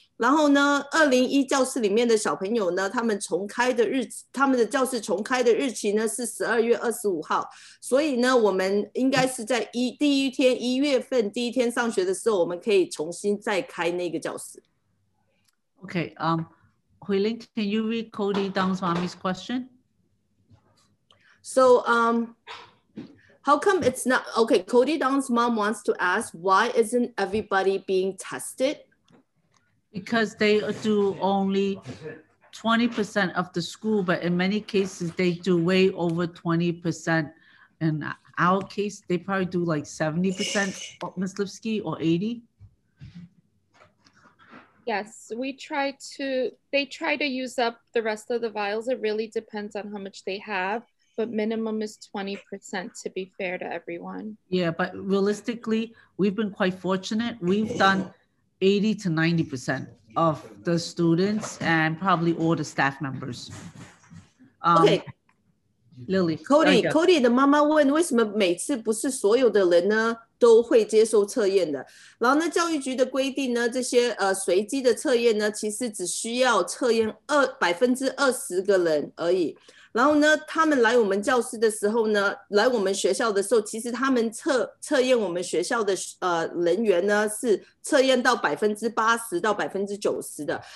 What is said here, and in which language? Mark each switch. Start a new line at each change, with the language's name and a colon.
Chinese: 然后呢 ,201 教室里面的小朋友呢，他们重开的日子，他们的教室重开的日期呢是12月25号。所以呢我们应该是在第一天1月份第一天上学的时候，我们可以重新再开那个教室。
English: Okay, Huilin, can you read Cody Dong's mommy's question? So, how come it's not, okay, Cody Dong's mom wants to ask, why isn't everybody being tested? Because they do only 20% of the school, but in many cases, they do way over 20%. In our case, they probably do like 70%, Ms. Lipsky, or 80%. Yes, they try to use up the rest of the vials. It really depends on how much they have, but minimum is 20% to be fair to everyone. Yeah, but realistically, we've been quite fortunate. We've done 80 to 90% of the students and probably all the staff members. Okay. Lily.
Chinese: Cody 的妈妈问为什么每次不是所有的人呢都会接受测验的。然后呢，教育局的规定呢，这些随机的测验呢，其实只需要测验20%个人而已。然后呢，他们来我们教室的时候呢，来我们学校的时候，其实他们测验我们学校的人员呢，是测验到80%到90%的。